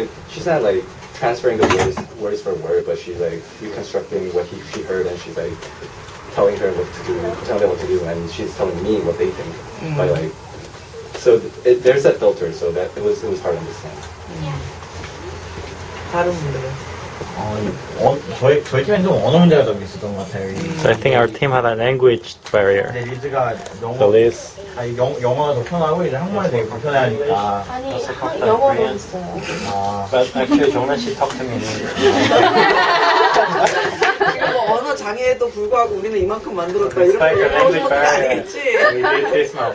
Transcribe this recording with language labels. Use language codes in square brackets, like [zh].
[en] She's not transferring the words for word, but she's like reconstructing what she heard, and she's like telling her what to do, telling them what to do, and she's telling me what they think. Mm. But like, so there's that filter, so that it was hard to understand. Yeah. [ko] 다른 분들은 저희 팀에도 언어 문제가 좀 있었던 것 같아요. [en] So I think our team had a language barrier. [ko] 네, 리즈가 영어가 더 편하고 이제 한국말이 되게 불편하니까. 아니, 영어도 있어요. [en] 아, but actually, 정란 씨 talk to me. [ko] 뭐 언어 장애에도 불구하고 우리는 이만큼 만들었다 이렇게 말하는 게 아니겠지.